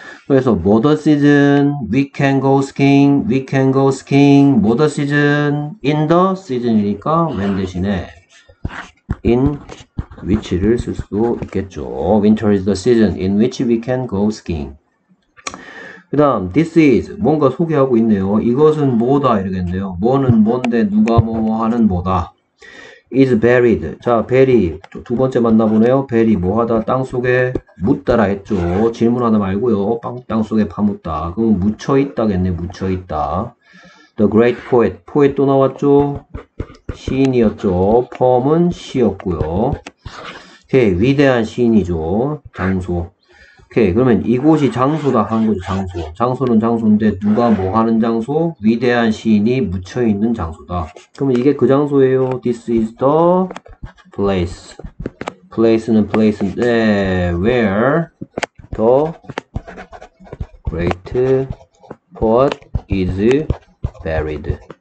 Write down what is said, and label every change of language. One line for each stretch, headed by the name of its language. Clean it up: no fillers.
English: 그래서 what season we can go skiing, we can go skiing, what season in the season이니까 when 대신에 in which를
Korean: 쓸 수도 있겠죠.
English: Winter is the season in which we can go skiing.
Korean: 그 다음
English: this is
Korean: 뭔가 소개하고 있네요. 이것은 뭐다 이러겠네요. 뭐는 뭔데 누가 뭐 하는 뭐다.
English: is buried.
Korean: 자, buried 두 번째 만나보네요. buried 뭐하다 땅속에 묻다라 했죠. 질문하다 말고요. 땅속에 파묻다. 그럼 묻혀있다겠네.
English: 묻혀있다. the great poet. poet
Korean: 또 나왔죠. 시인이었죠. poem은 시였고요. okay, 위대한 시인이죠. 장소. Okay, 그러면 이곳이 장소다 한 거죠. 장소. 장소는 장소인데 누가 뭐 하는 장소? 위대한 시인이 묻혀 있는 장소다. 그러면 이게 그 장소예요.
English: This is the place. Place는 place인데 where the great poet is buried.